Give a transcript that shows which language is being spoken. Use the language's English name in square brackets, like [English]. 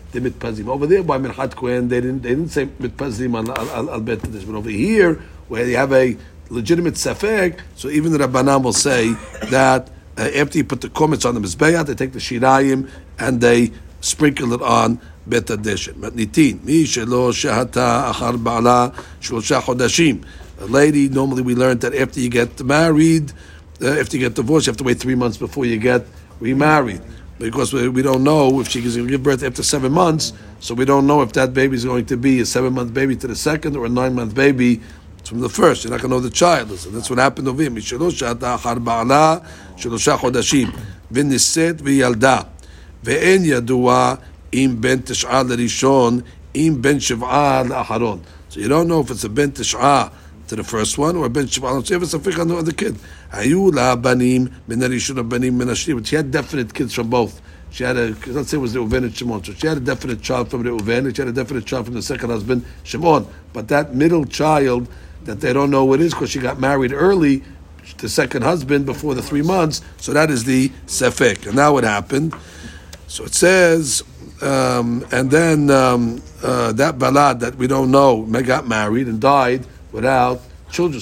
[English] They mitpazim over there by minhat kohen. They didn't say mitpazim al bet this, but over here where you have a legitimate safek, so even the rabbanan will say that after you put the comments on the mizbeah, they take the shirayim and they sprinkle it on בית הדשן. [Hebrew] מתניתין, מי שלא שהתה אחר בעלה שלושה חודשים. [English] A lady, normally we learned that after you get married, after you get divorced, you have to wait 3 months before you get remarried. Because we don't know if she's going to give birth after 7 months, so we don't know if that baby is going to be a 7 month baby to the second or a 9 month baby from the first. You're not going to know the child. Listen, that's what happened over here. [Hebrew] מי שלא שהתה אחר בעלה שלושה חודשים. ונישאת וילדה. ואין ידוע אם בן תשעה לראשון, אם בן שבעה לאחרון. [English] So you don't know if it's a בן תשעה to the first one, or a בן שבעה, so you have a ספק on the kid. [Hebrew] היו לה בנים מן הראשון ובנים מן השני, [English] but she had definite kids from both. She had a, let's say it was Reuven and Shimon, so she had a definite child from Reuven, and she had a definite child from the second husband, Shimon. But that middle child that they don't know what it is because she got married early, the second husband, before the 3 months. So that is the sefek. And now what happened? So it says, that balad that we don't know got married and died without children.